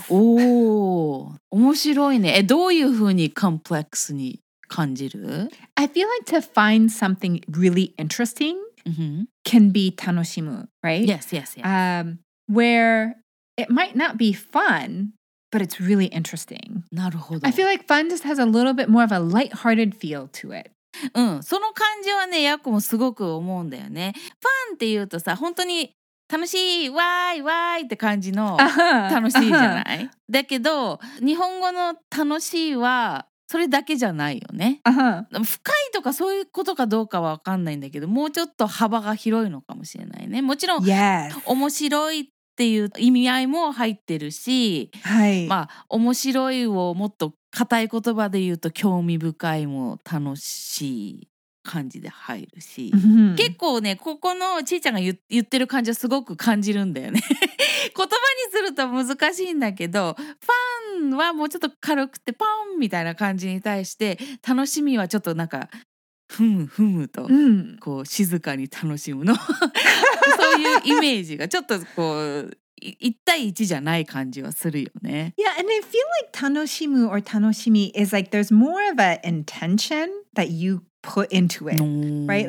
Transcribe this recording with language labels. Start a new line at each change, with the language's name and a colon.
Japanese: Oh, 面白いね。え、どういうふうに complex に感じる?
English: I feel like to find something really interesting can be 楽しむ, right? Yes, yes, yes. Where it might not be fun, but it's really interesting.
Japanese: なるほど。
English: I feel like fun just has a little bit more of a lighthearted feel to it.
Japanese: うん、その感じはね、ヤコもすごく思うんだよね。ファンっていうとさ、本当に楽しい、わーい、わーいって感じの楽しいじゃない、
English: uh-huh.
Japanese: だけど、日本語の楽しいはそれだけじゃないよね。
English: Uh-huh.
Japanese: 深いとかそういうことかどうかは分かんないんだけど、もうちょっと幅が広いのかもしれないね。もちろん、
English: yes.
Japanese: 面白いっていう意味合いも入ってるし、はい、まあ、面白いをもっと固い言葉で言うと興味深いも楽しい感じで入るし、
English: mm-hmm.
Japanese: 結構ね、ここのちーちゃんが 言ってる感じはすごく感じるんだよね。言葉にすると難しいんだけど、ファンはもうちょっと軽くてポンみたいな感じに対して、楽しみはちょっとなんかふむふむと、 mm-hmm. こう静かに楽しむのそういうイメージがちょっとこう一対一じゃない感じはするよね。
English: Yeah, and I feel like 楽しむ or 楽しみ is like there's more of an intention that you put into it, right?